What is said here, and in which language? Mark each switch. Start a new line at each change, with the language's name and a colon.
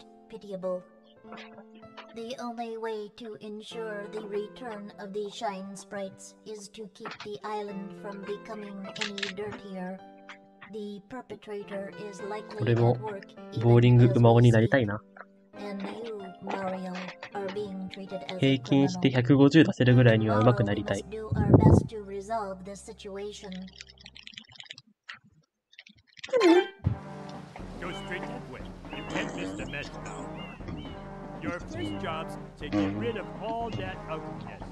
English: The only way to ensure the return of the Shine Sprites is to keep the island from becoming any dirtier. The perpetrator is likely at work even as we speak. And you, Mario, are being treated as a criminal.
Japanese: 平均して150出せるぐらいには上手くなりたい。
English: We must do our best to resolve this situation. Go straight that way. You can't miss the mess now. Your first job's to get rid of all that ugliness.